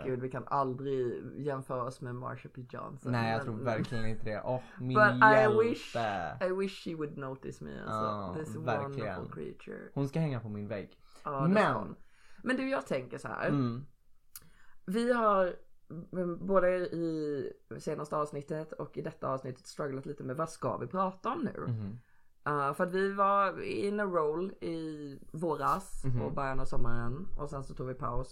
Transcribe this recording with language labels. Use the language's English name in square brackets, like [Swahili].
[Swedish] gud, vi kan aldrig jämföra oss med Marsha P. Johnson. Nej, jag tror verkligen inte det. Min hjälpe. [English] I wish she would notice me, alltså. This wonderful creature. [Swedish] Hon ska hänga på min vägg. Ja, men du, jag tänker så här. Mm. Vi har både i senaste avsnittet och i detta avsnittet strugglat lite med vad ska vi prata om nu? För att vi var [English] in a roll [Swedish] i våras och början av sommaren. Och sen så tog vi paus.